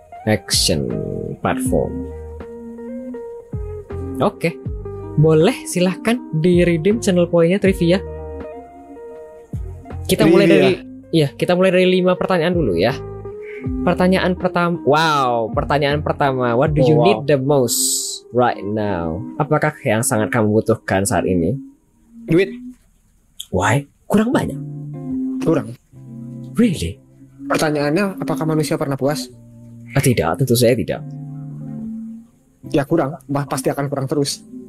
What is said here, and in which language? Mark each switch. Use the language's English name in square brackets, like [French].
[English] Action platform. [Indonesian] Oke, boleh silahkan di redeem channel poinnya trivia. Kita mulai dari 5 pertanyaan dulu ya. Pertanyaan pertama. [English] What do you need the most right now? [Indonesian] Apakah yang sangat kamu butuhkan saat ini? Duit. Why? Kurang banyak. Kurang. [English] Really? [Indonesian] Pertanyaannya, apakah manusia pernah puas? Tidak, tentu saya tidak. Ya kurang, pasti akan kurang terus.